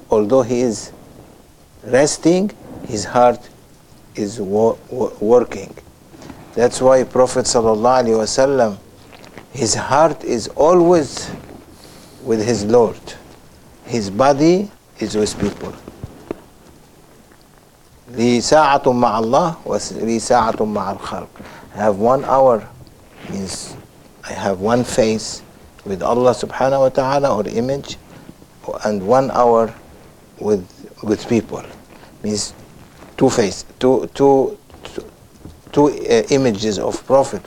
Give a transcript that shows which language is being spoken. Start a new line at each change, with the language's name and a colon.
English: Although he is resting, his heart is working. That's why Prophet sallallahu alaihi wasallam, his heart is always with his Lord. His body is with people.
Arabic: لي ساعة مع الله ولي ساعة مع الخلق.
English: I have 1 hour, means I have one face with Allah subhanahu wa ta'ala, or image, and 1 hour with people, means two images of Prophet.